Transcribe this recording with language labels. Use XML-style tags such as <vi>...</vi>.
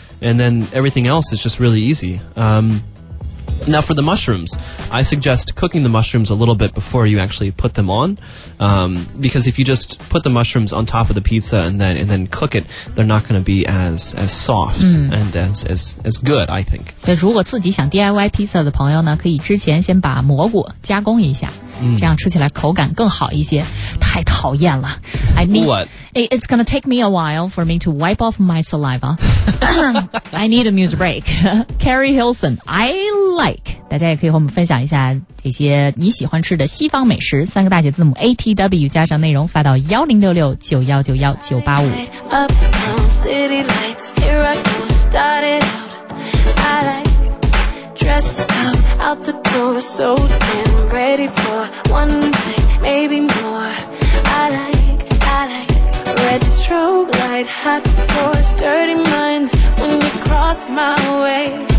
<en>And then everything else is just really easy. Now for the mushrooms, I suggest cooking the mushrooms a little bit before you actually put them on. Because if you just put the mushrooms on top of the pizza and then cook it, they're not going to be as soft、 mm. and as good, I think.</en> <zh>对，如果自己想 DIY pizza 的朋友呢，可以之前先把蘑菇加工一下。 Mm. 这样吃起来口感更好一些。太讨厌了。</zh> <en>It's gonna take me a while for me to wipe off my saliva. I need a music break. Carrie Hilson, I like.</en> <zh>大家也可以和我们分享一下这些你喜欢吃的西方美食。三个大写字母 ATW 加上内容发到 1066-9191-985.</zh> <en>Up on city lights, here I go, started out. I like dressed up. Out the door, so damn ready for one night, maybe more. I like red strobe light, hot floors, dirty minds when you cross my way.</en>